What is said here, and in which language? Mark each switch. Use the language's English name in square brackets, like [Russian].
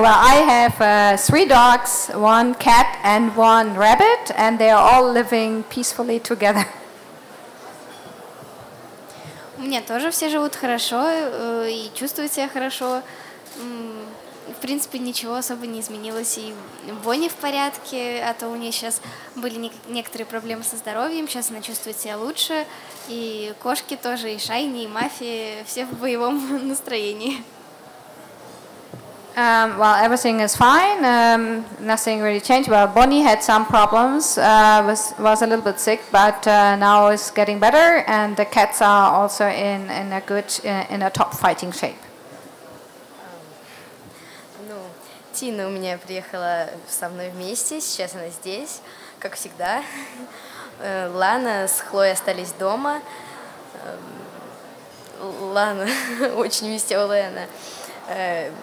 [English] I have three dogs, one cat and one rabbit, and they are all living peacefully together. [Russian] У меня тоже все живут хорошо и чувствуют себя хорошо. В принципе, ничего особо не изменилось. И Бонни в порядке, а то у нее сейчас были некоторые проблемы со здоровьем. Сейчас она чувствует себя лучше. И кошки тоже, и Шайни, и Мафи, все в боевом настроении. [English] Everything is fine. Nothing really changed. Well, Bonnie had some problems. Was a little bit sick, but now is getting better. And the cats are also in a top fighting shape. [Russian] Ну, Тина у меня приехала со мной вместе. Сейчас она здесь, как всегда. Лана с Хлоей остались дома. Лана очень веселая она.